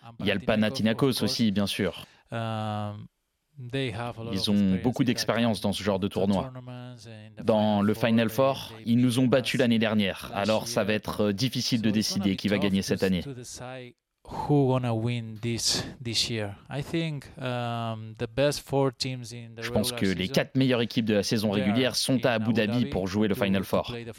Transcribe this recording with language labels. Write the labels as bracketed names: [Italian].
[French] Il y a le Panathinaikos aussi, bien sûr. Ils ont beaucoup d'expérience dans ce genre de tournoi. Dans le Final Four, ils nous ont battus l'année dernière. Alors, ça va être difficile de décider qui va gagner cette année. [English] Who gonna win this year? I think the best 4 teams in the [French] Je pense que les 4 meilleures équipes de la saison régulière sont à Abu Dhabi pour jouer le Final Four.